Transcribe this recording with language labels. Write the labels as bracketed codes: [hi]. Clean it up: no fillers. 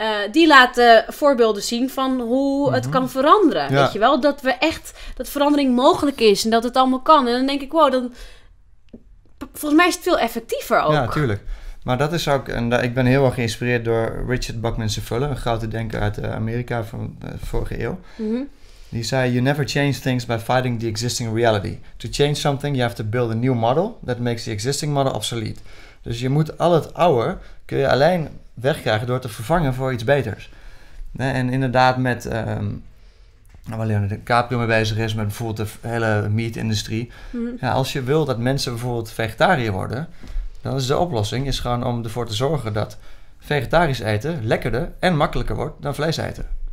[nl] Die laat voorbeelden zien van hoe mm-hmm. het kan veranderen. Ja. Weet je wel? Dat we echt dat verandering mogelijk is en dat het allemaal kan. En dan denk ik, wow, dan volgens mij is het veel effectiever ook. Ja, tuurlijk. Maar dat is ook, en ik ben heel erg geïnspireerd door Richard Bachman Sefuller, een grote denker uit Amerika van de vorige eeuw. Mm-hmm. [en] Die zei, you never change things by fighting the existing reality. To change something, you have to build a new model that makes the existing model obsolete. [nl] Dus je moet al het oude, kun je alleen wegkrijgen door te vervangen voor iets beters. Nee, en inderdaad met, waar Leonardo DiCaprio mee bezig is, met bijvoorbeeld de hele meat-industrie. Mm-hmm. Ja, als je wil dat mensen bijvoorbeeld vegetariër worden, dan is de oplossing is gewoon om ervoor te zorgen dat vegetarisch eten lekkerder en makkelijker wordt dan vlees eten.